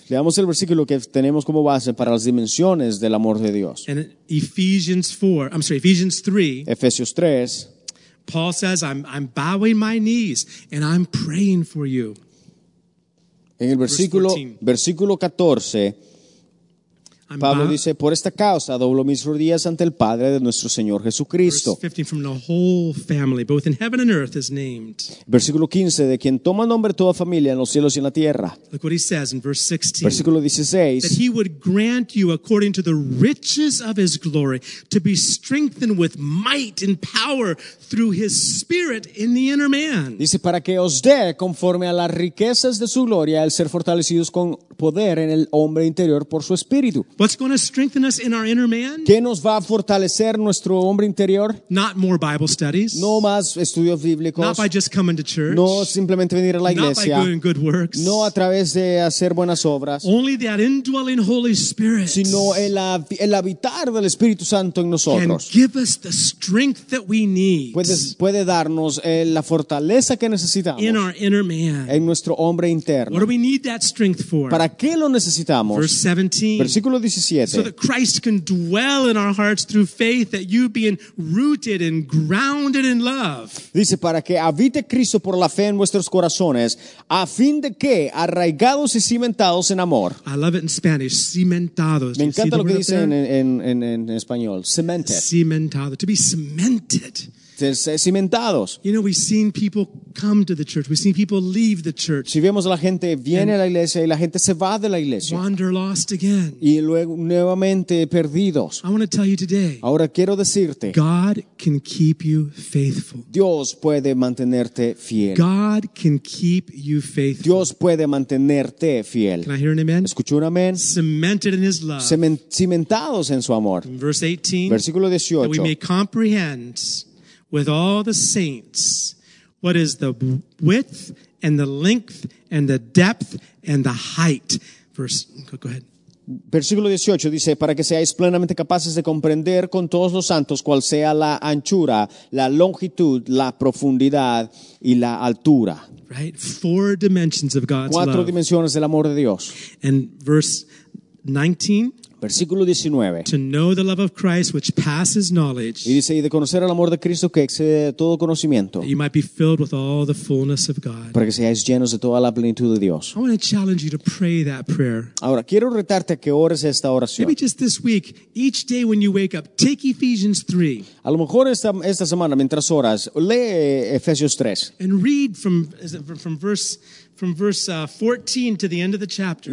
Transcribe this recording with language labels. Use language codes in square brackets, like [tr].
[es] Leamos el versículo que tenemos como base para las dimensiones del amor de Dios. [en] In Ephesians 3. [es] Efesios 3. [en] Paul says, I'm bowing my knees and I'm praying for you. [es] En el versículo 14. Pablo dice, por esta causa doblo mis rodillas ante el Padre de nuestro Señor Jesucristo. [en] Verse 15, from the whole family, both in heaven and earth is named. [es] Versículo 15, de quien toma nombre toda familia en los cielos y en la tierra. [en] Look what he says in verse 16. [es] Versículo 16. [en] That he would grant you according to the riches of his glory to be strengthened with might and power through his Spirit in the inner man. [es] Dice, para que os dé conforme a las riquezas de su gloria el ser fortalecidos con poder en el hombre interior por su Espíritu. [en] What's going to strengthen us in our inner man? [es] ¿Qué nos va a fortalecer nuestro hombre interior? [en] Not more Bible studies. [es] No más estudios bíblicos. [en] Not by just coming to church. [es] No simplemente venir a la iglesia. [en] Not by doing good works. [es] No a través de hacer buenas obras. [en] Only that indwelling Holy Spirit. [es] Sino el habitar del Espíritu Santo en nosotros. [en] Can give us the strength that we need. [es] Puede darnos la fortaleza que necesitamos. [en] In our inner man. [es] En nuestro hombre interno. [en] What do we need that strength for? [es] ¿Para qué lo necesitamos? [en] Verse 17. [es] Versículo 17. [en] So that Christ can dwell in our hearts through faith, that you being rooted and grounded in love. [es] Dice, para que habite Cristo por la fe en vuestros corazones, a fin de que arraigados y cimentados en amor. [en] I love it in Spanish, cimentados. [es] Me encanta lo que dice en español, cemented. [en] Cimentado, to be cemented. [es] Cimentados. [en] You know, we've seen people come to the church. We've seen people leave the church. [es] Si vemos a la gente viene a la iglesia y la gente se va de la iglesia. [en] Wander lost again. [es] Y luego nuevamente perdidos. [en] I want to tell you today. [es] Ahora quiero decirte. [en] God can keep you faithful. [es] Dios puede mantenerte fiel. [en] God can keep you faithful. [es] Dios puede mantenerte fiel. [en] Can I hear an amen? [es] ¿Escucho un amén? [en] Cemented in His love. [es] Cimentados en su amor. [en] Verse 18. [es] Versículo 18. [en] That we may comprehend with all the saints, what is the width and the length and the depth and the height? Go ahead. [es] Versículo 18 dice, para que seáis plenamente capaces de comprender con todos los santos cuál sea la anchura, la longitud, la profundidad y la altura. [en] Right? Four dimensions of God's love. [es] Cuatro dimensiones del amor de Dios. [en] And verse 19. [es] Versículo 19. [en] To know the love of Christ which passes knowledge. [es] Y dice, y de conocer el amor de Cristo que excede todo conocimiento. [en] You might be filled with all the fullness of God. [es] Para que seáis llenos de toda la plenitud de Dios. [en] I want to challenge you to pray that prayer. [es] Ahora, quiero retarte a que ores esta oración. [en] Maybe just this week, each day when you wake up, take Ephesians 3. [es] A lo mejor esta semana, mientras oras, lee Efesios 3. [en] And read from verse 14 to the end of the chapter.